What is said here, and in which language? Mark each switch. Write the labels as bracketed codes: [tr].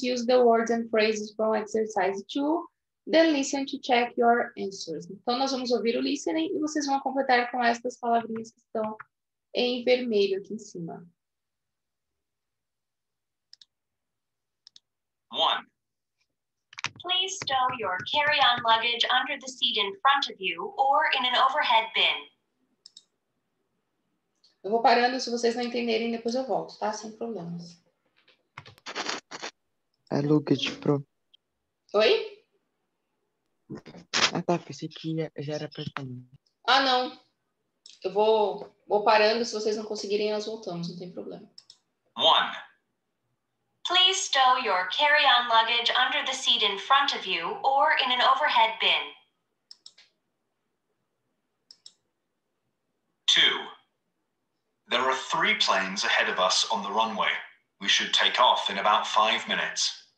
[en] Use the words and phrases from exercise two. Then listen to check your answers. [pt] Então, nós vamos ouvir o listening e vocês vão completar com essas palavrinhas que estão em vermelho aqui em cima. [en] One. Please stow your carry-on luggage under the seat in front of you or in an overhead bin. [pt] Eu vou parando, se vocês não entenderem, depois eu volto, tá? Sem problemas. [en] A luggage pro. [pt] Oi? Ah, tá. Pensei que já era pra mim. Ah, não. Eu vou parando, se vocês não conseguirem, nós voltamos, não tem problema. [en] One. Please stow your carry-on luggage under the seat in front of you or in an overhead bin. Two. There are three planes ahead of us on the runway. We should take off in about 5 minutes.